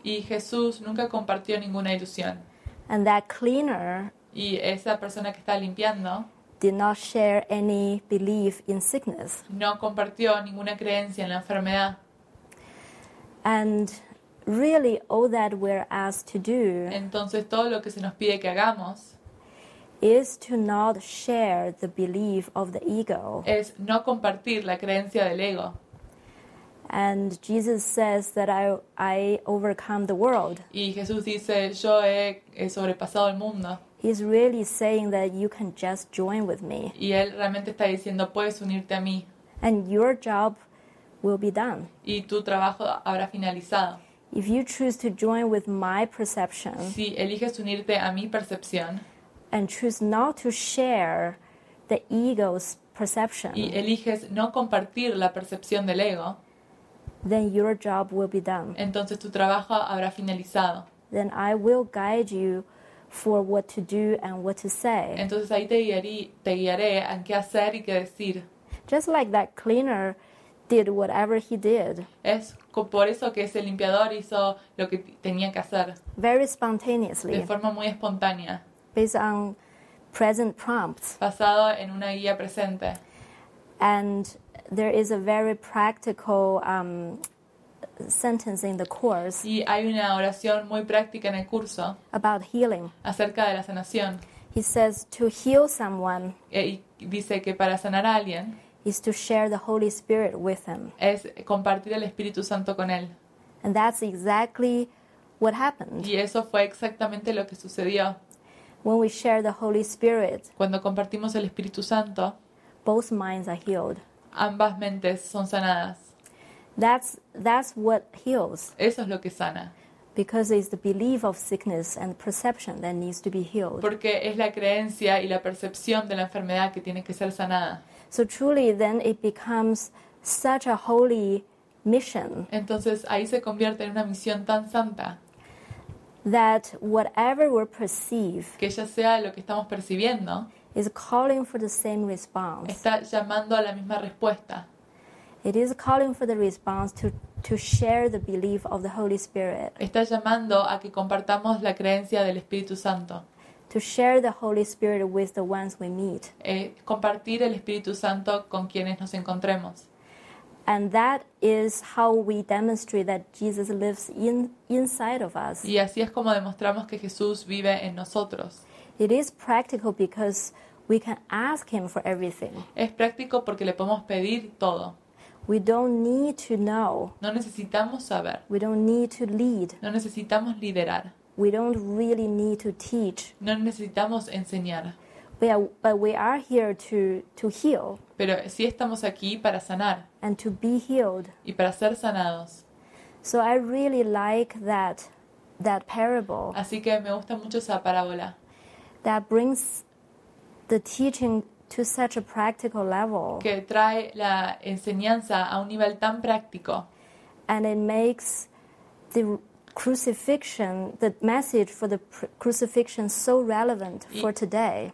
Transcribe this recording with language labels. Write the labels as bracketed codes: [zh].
[es] Y Jesús nunca compartió ninguna ilusión. [en] And that cleaner. [es] Y esa persona que está limpiando. [en] Did not share any belief in sickness. [es] No compartió ninguna creencia en la enfermedad. [en] And really, all that we're asked to do. [es] Entonces todo lo que se nos pide que hagamos. [en] Is to not share the belief of the ego. [es] Es no compartir la creencia del ego. [en] And Jesus says that I overcome the world. [es] Y Jesús dice yo he sobrepasado el mundo. [en] He's really saying that you can just join with me. [es] Y él realmente está diciendo puedes unirte a mí. [en] And your job will be done. [es] Y tu trabajo habrá finalizado. [en] If you choose to join with my perception. [es] Si eliges unirte a mi percepción. [en] And choose not to share the ego's perception. [es] Y eliges no compartir la percepción del ego. [en] Then your job will be done. [es] Entonces tu trabajo habrá finalizado. [en] Then I will guide you for what to do and what to say. [es] Entonces ahí te guiaré en qué hacer y qué decir. [en] Just like that cleaner did whatever he did. [es] Es por eso que ese limpiador hizo lo que tenía que hacer. [en] Very spontaneously. [es] De forma muy espontánea. [en] Based on present prompts. [es] Basado en una guía presente. [en] And there is a very practical sentence in the course. [es] Y hay una oración muy práctica en el curso. [en] About healing. [es] Acerca de la sanación. [en] He says to heal someone. [es] Y dice que para sanar a alguien. [en] Is to share the Holy Spirit with him. [es] Es compartir el Espíritu Santo con él. [en] And that's exactly what happened. [es] Y eso fue exactamente lo que sucedió. [en] When we share the Holy Spirit. [es] Cuando compartimos el Espíritu Santo. [en] Both minds are healed. [es] Ambas mentes son sanadas. [en] That's what heals. [es] Eso es lo que sana. [en] Because it's the belief of sickness and perception that needs to be healed. [es] Porque es la creencia y la percepción de la enfermedad que tiene que ser sanada. [en] So truly then it becomes such a holy mission. [es] Entonces ahí se convierte en una misión tan santa. [en] That whatever we perceive. [es] Que ya sea lo que estamos percibiendo. [en] Is calling for the same response. [es] Está llamando a la misma respuesta. [en] It is calling for the response to share the belief of the Holy Spirit. [es] Está llamando a que compartamos la creencia del Espíritu Santo. [en] To share the Holy Spirit with the ones we meet. [es] Compartir el Espíritu Santo con quienes nos encontremos. [en] And that is how we demonstrate that Jesus lives inside of us. [es] Y así es como demostramos que Jesús vive en nosotros. [en] It is practical because we can ask him for everything. [es] Es práctico porque le podemos pedir todo. [en] We don't need to know. [es] No necesitamos saber. [en] We don't need to lead. [es] No necesitamos liderar. [en] We don't really need to teach. [es] No necesitamos enseñar. [en] But we are here to heal. [es] Pero sí estamos aquí para sanar. [en] And to be healed. [es] Y para ser sanados. [en] So I really like that parable. [es] Así que me gusta mucho esa parábola. [en] That brings the teaching to such a practical level. [es] Que trae la enseñanza a un nivel tan práctico. [en] And it makes the crucifixion, the message for the crucifixion so relevant for today.